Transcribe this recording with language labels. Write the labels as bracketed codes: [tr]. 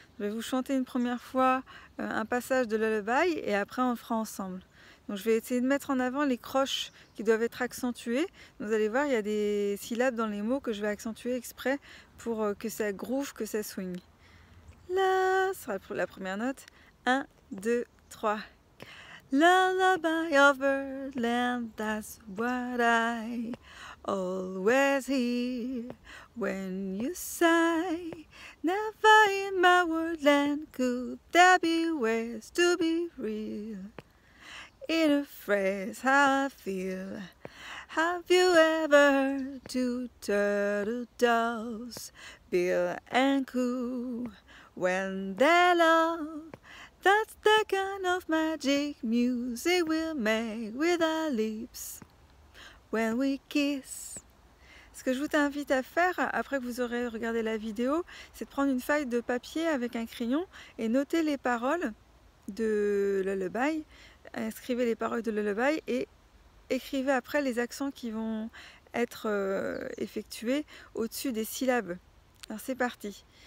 [fr] Je vais vous chanter une première fois un passage de Lullaby et après on le fera ensemble. Donc je vais essayer de mettre en avant les croches qui doivent être accentuées. Vous allez voir, il y a des syllabes dans les mots que je vais accentuer exprès pour que ça groove, que ça swing. La sera la première note. 1, 2, 3. [en] Lullaby of Birdland, that's what I always hear when you sigh. Never in my woodland could there be ways to be real. In a phrase, how I feel. Have you ever heard two turtle doves, Bill and Coo, when they love? That's the kind of magic music we'll make with our lips when we kiss. [fr] Ce que je vous invite à faire, après que vous aurez regardé la vidéo, c'est de prendre une feuille de papier avec un crayon et noter les paroles de Lullaby. Inscrivez les paroles de Lullaby et écrivez après les accents qui vont être effectués au-dessus des syllabes. Alors c'est parti.